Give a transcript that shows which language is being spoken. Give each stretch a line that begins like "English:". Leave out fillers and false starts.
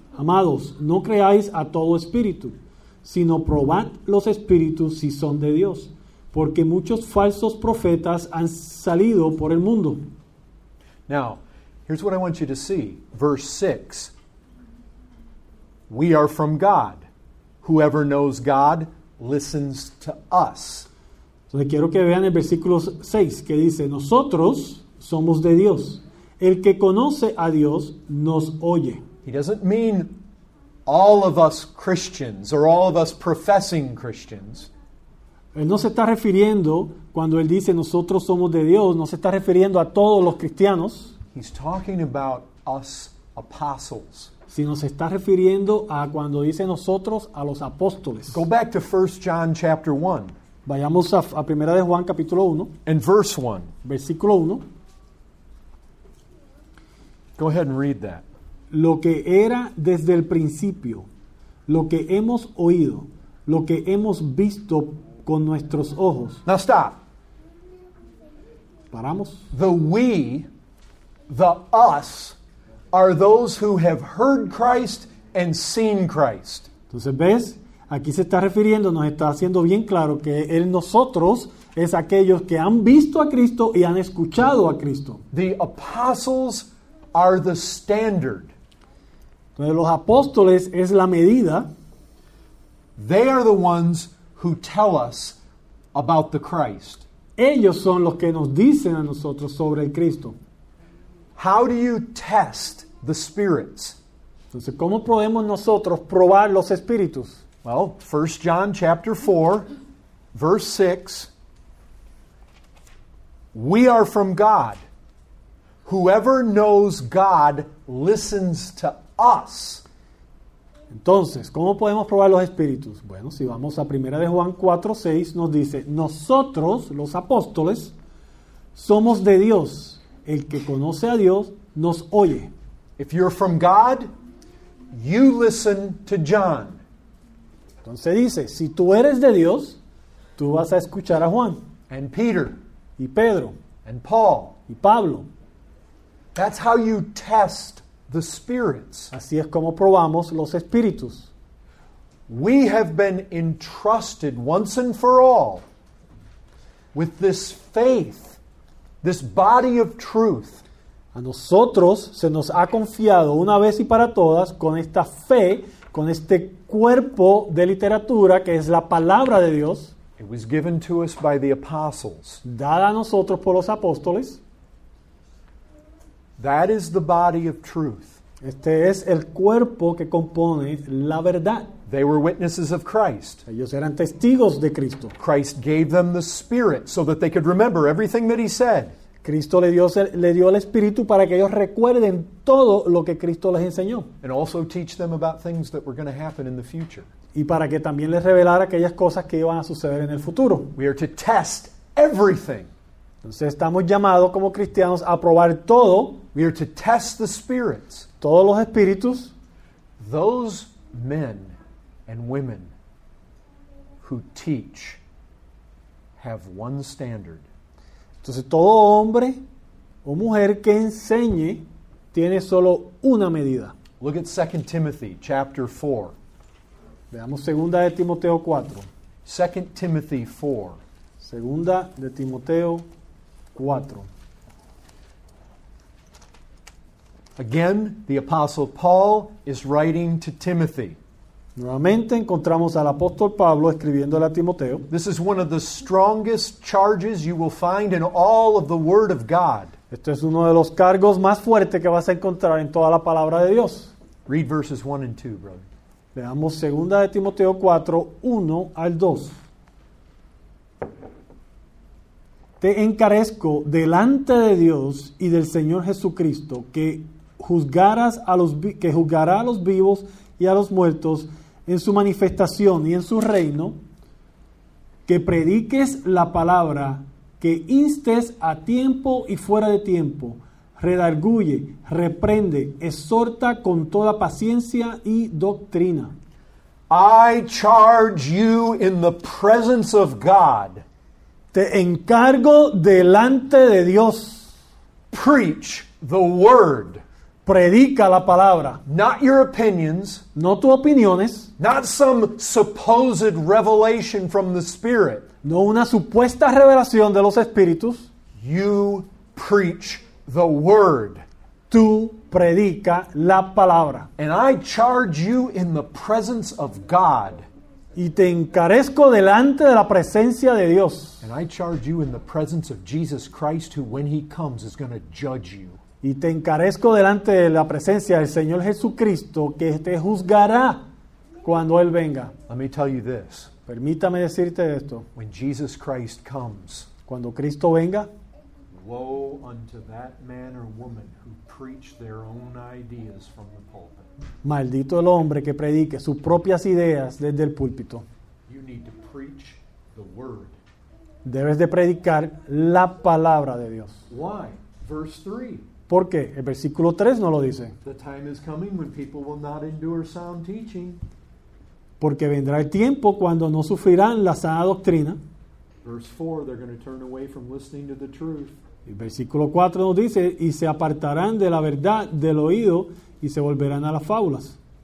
Spanish: Amados, no creáis a todo espíritu, sino probad los espíritus si son de Dios, porque muchos falsos profetas han salido por el mundo.
English: Now, here's what I want you to see. Verse 6. We are from God. Whoever knows God listens to us.
Spanish: Entonces quiero que vean el versículo 6 que dice, nosotros somos de Dios. El que conoce a Dios nos oye.
English: He doesn't mean all of us Christians or all of us professing Christians.
Spanish: Él no se está refiriendo, cuando él dice nosotros somos de Dios, no se está refiriendo a todos los cristianos.
English: He's talking about us apostles.
Spanish: Sino se está refiriendo a cuando dice nosotros, a los apóstoles.
English: Go back to 1 John chapter 1.
Spanish: Vayamos a 1 de Juan capítulo 1.
English: And verse 1.
Spanish: Versículo 1.
English: Go ahead and read that.
Spanish: Lo que era desde el principio, lo que hemos oído, lo que hemos visto con nuestros ojos.
English: Now stop.
Spanish: Paramos.
English: The we, the us, are those who have heard Christ and seen Christ.
Spanish: Entonces ves, aquí se está refiriendo, nos está haciendo bien claro que el nosotros es aquellos que han visto a Cristo y han escuchado a Cristo.
English: The apostles are the standard.
Spanish: Entonces, los apóstoles es la medida.
English: They are the ones who tell us about the Christ.
Spanish: Ellos son los que nos dicen a nosotros sobre el Cristo.
English: How do you test the spirits?
Spanish: Entonces, ¿cómo podemos nosotros probar los espíritus?
English: Well, 1 John chapter 4, verse 6. We are from God. Whoever knows God listens to us.
Spanish: Entonces, ¿cómo podemos probar los espíritus? Bueno, si vamos a 1 de Juan 4, 6, nos dice, nosotros, los apóstoles, somos de Dios. El que conoce a Dios, nos oye.
English: If you're from God, you listen to John.
Spanish: Entonces dice, si tú eres de Dios, tú vas a escuchar a Juan.
English: And Peter.
Spanish: Y Pedro.
English: And Paul.
Spanish: Y Pablo.
English: That's how you test the spirits.
Spanish: Así es como probamos los espíritus.
English: We have been entrusted once and for all. with this faith, this body of truth.
Spanish: A nosotros se nos ha confiado una vez y para todas con esta fe, con este cuerpo de literatura que es la palabra de Dios.
English: It was given to us by the apostles.
Spanish: Dada a nosotros por los apóstoles.
English: That is the body of truth.
Spanish: Este es el cuerpo que compone la verdad.
English: They were witnesses of Christ.
Spanish: Ellos eran testigos de Cristo.
English: Christ gave them the Spirit so that they could remember everything that he said.
Spanish: Cristo le dio el Espíritu para que ellos recuerden todo lo que Cristo les enseñó.
English: And also teach them about things that were going to happen in the future.
Spanish: Y para que también les revelara aquellas cosas que iban a suceder en el futuro.
English: We are to test everything.
Spanish: Entonces estamos llamados como cristianos a probar todo.
English: We are to test the spirits.
Spanish: Todos los espíritus.
English: Those men and women who teach have one standard.
Spanish: Entonces todo hombre o mujer que enseñe tiene solo una medida.
English: Look at 2 Timothy chapter 4.
Spanish: Veamos segunda de Timoteo 4.
English: 2 Timothy 4.
Spanish: Segunda de Timoteo 4.
English: Again, the apostle Paul is writing to Timothy.
Spanish: Nuevamente encontramos al apóstol Pablo escribiéndole a Timoteo.
English: This is one of the strongest charges you will find in all of the Word of God.
Spanish: Este es uno de los cargos más fuertes que vas a encontrar en toda la palabra de Dios.
English: Read verses 1 and 2, brother.
Spanish: Leamos 2 de Timoteo 4, 1 al 2. Te encarezco delante de Dios y del Señor Jesucristo que juzgará a los vivos y a los muertos en su manifestación y en su reino, que prediques la palabra, que instes a tiempo y fuera de tiempo, redarguye, reprende, exhorta con toda paciencia y doctrina.
English: I charge you in the presence of God.
Spanish: Te encargo delante de Dios.
English: Preach the word.
Spanish: Predica la palabra.
English: Not your opinions.
Spanish: No tus opiniones.
English: Not some supposed revelation from the Spirit.
Spanish: No una supuesta revelación de los espíritus.
English: You preach the word.
Spanish: Tú predica la palabra.
English: And I charge you in the presence of God.
Spanish: Y te encarezco delante de la presencia de Dios.
English: And I charge you in the presence of Jesus Christ, who when he comes is going to judge you.
Spanish: Y te encarezco delante de la presencia del Señor Jesucristo, que te juzgará cuando Él venga.
English: Let me tell you this.
Spanish: Permítame decirte esto.
English: When Jesus Christ comes,
Spanish: cuando Cristo venga,
English: woe unto that man or woman who preach their own ideas from the pulpit.
Spanish: Maldito el hombre que predique sus propias ideas desde el púlpito.
English: You need to preach the word.
Spanish: Debes de predicar la palabra de Dios.
English: Why? Verse 3.
Spanish: ¿Por qué? El versículo 3 no lo dice.
English: The time is coming when people will not endure sound teaching.
Spanish: Porque vendrá el tiempo cuando no sufrirán la sana doctrina.
English: Verse 4, they're going to turn away from listening to the truth.
Spanish: El versículo 4 nos dice, y se apartarán de la verdad del oído y se volverán a las fábulas.